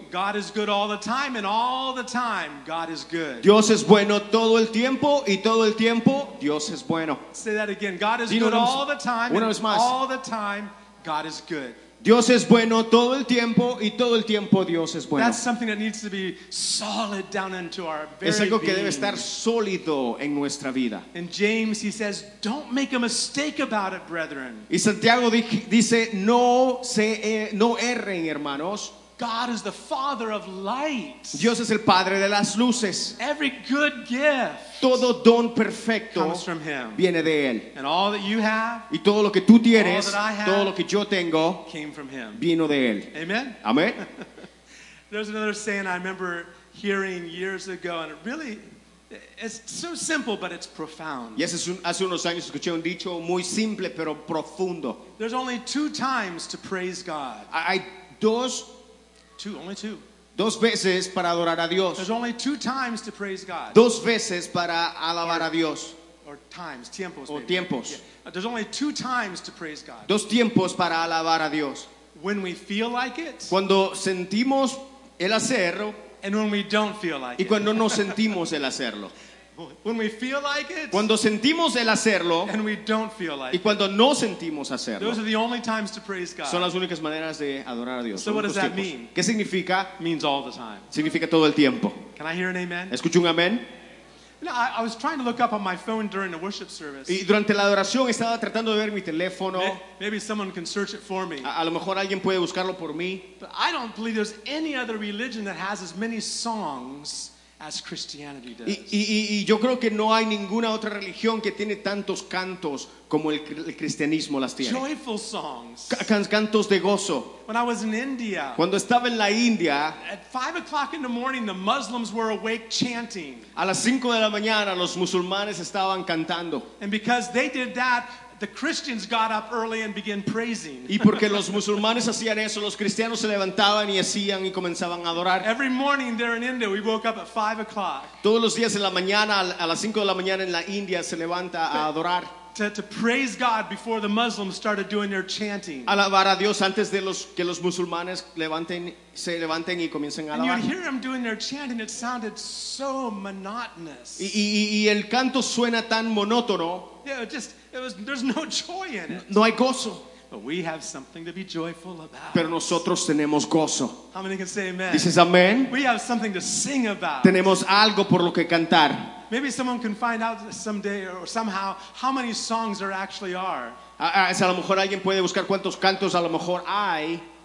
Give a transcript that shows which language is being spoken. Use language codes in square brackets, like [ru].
[en] God is good all the time, and all the time God is good. [es] Dios es bueno todo el tiempo, y todo el tiempo Dios es bueno. [en] Say that again. God is good all the time, and all the time God is good. [es] Dios es bueno todo el tiempo, y todo el tiempo Dios es bueno. [en] That's something that needs to be solid down into our very being. [es] Es algo que debe estar sólido en nuestra vida. [en] And James, he says, don't make a mistake about it, brethren. [es] Y Santiago dice, no erren, hermanos. [en] God is the Father of lights. [es] Dios es el Padre de las luces. [en] Every good gift, [es] todo don perfecto, [en] comes from Him. [es] Viene de Él. [en] And all that you have, [es] y todo lo que tú tienes, [en] all that I have, [es] todo lo que yo tengo, [en] came from Him. [es] Vino de Él. [en] Amen. [es] Amen. [en] There's another saying I remember hearing years ago, and it really, it's so simple, but it's profound. [es] Y hace unos años escuché un dicho muy simple pero profundo. [en] There's only two times to praise God. [es] Hay dos. [en] Two, only two. [es] Dos veces para adorar a Dios. [en] There's only two times to praise God. [es] Dos veces para alabar a Dios. [en] Or times, tiempos. [es] O tiempos. [en] Yeah. There's only two times to praise God. [es] Dos tiempos para alabar a Dios. [en] When we feel like it. [es] Cuando sentimos el hacerlo. [en] And when we don't feel like it. [es] Y cuando no sentimos el hacerlo. [en] When we feel like it. [es] Cuando sentimos el hacerlo. [en] And we don't feel like it. [es] Y cuando no sentimos hacerlo. [en] Those are the only times to praise God. [es] Son las únicas maneras de adorar a Dios. [en] So what does that mean? [es] ¿Qué significa? [en] Means all the time. [es] Significa todo el tiempo. [en] Can I hear an amen? [es] ¿Escucho un amén? [en] No, I was trying to look up on my phone during the worship service. [es] Y durante la adoración estaba tratando de ver mi teléfono. [en] Maybe someone can search it for me. [es] A lo mejor alguien puede buscarlo por mí. [en] But I don't believe there's any other religion that has as many songs as Christianity does. [es] Y yo creo que no hay ninguna otra religión que tiene tantos cantos como el cristianismo las tiene. [en] Joyful songs. [es] Cantos de gozo. [en] When I was in India. [es] Cuando estaba en la India. [en] At 5:00 in the morning, the Muslims were awake chanting. [es] A las 5 de la mañana los musulmanes estaban cantando. [en] And because they did that, the Christians got up early and began praising. [es] Y porque los musulmanes hacían eso, los cristianos se levantaban y hacían y comenzaban a adorar. [en] Every morning there in India, we woke up at 5:00. [es] Todos los días en la mañana, a las 5 de la mañana en la India, se levanta a adorar. [en] To praise God before the Muslims started doing their chanting. [es] Alabar a Dios antes de que los musulmanes se levanten y comiencen a alabar. [en] And you'd hear them doing their chanting, it sounded so monotonous. [es] Y el canto suena tan monótono. [en] Yeah, there's no joy in it. [es] No hay gozo. [en] But we have something to be joyful about. [es] Pero nosotros tenemos gozo. [en] How many can say amen? [es] Dices amén. [en] We have something to sing about. [es] Tenemos algo por lo que cantar. [en] Maybe someone can find out someday or somehow how many songs there actually are. [es] A lo mejor alguien puede buscar cuántos cantos a lo mejor hay.